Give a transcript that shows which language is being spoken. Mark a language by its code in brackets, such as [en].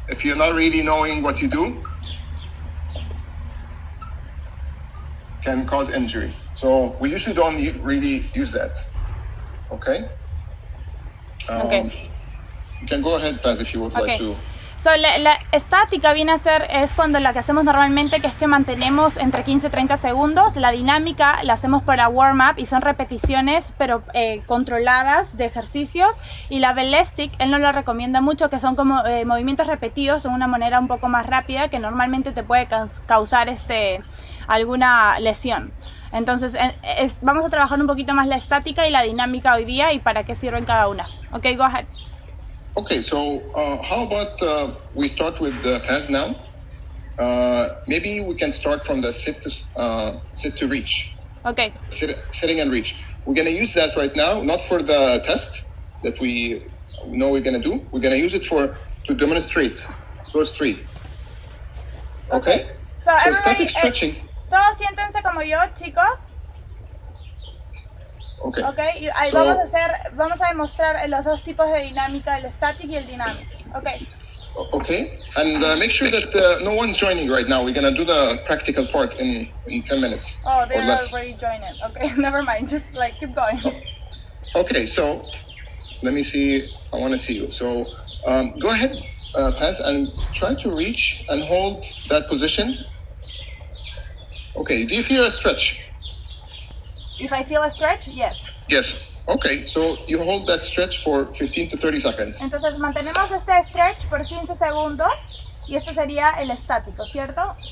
[en] If you're not really knowing what you do, can cause injury. So we usually don't really use that. Okay? Okay. You can go ahead, Paz, if you would like to. [es] So, la estática viene a ser, es cuando la que hacemos normalmente, que es que mantenemos entre 15 y 30 segundos. La dinámica la hacemos para warm-up y son repeticiones, pero controladas de ejercicios. Y la ballistic, él no la recomienda mucho, que son como movimientos repetidos de una manera un poco más rápida, que normalmente te puede causar alguna lesión. Entonces, vamos a trabajar un poquito más la estática y la dinámica hoy día y para qué sirven cada una. [en] Ok, go ahead. Okay, so how about we start with the Paz now? Maybe we can start from the sit to reach. Okay. Sitting and reach. We're gonna use that right now, not for the test that we know we're gonna do. We're gonna use it to demonstrate those three. Okay. Okay. So static stretching. [es] Todos siéntense como yo, chicos. [en] Okay. Okay. [es] Y vamos a demostrar los dos tipos de dinámica, el static y el dynamic. [en] Okay. Okay. And make sure that no one's joining right now. We're gonna do the practical part in 10 minutes. Oh, they're already joining. Okay. Never mind. Just like keep going. Okay. So let me see. I want to see you. So go ahead, Paz, and try to reach and hold that position. Okay. Do you feel a stretch? If I feel a stretch, yes. Yes. Okay, so you hold that stretch for 15 to 30 seconds. [es] Entonces mantenemos este stretch por 15 segundos y este sería el estático, ¿cierto?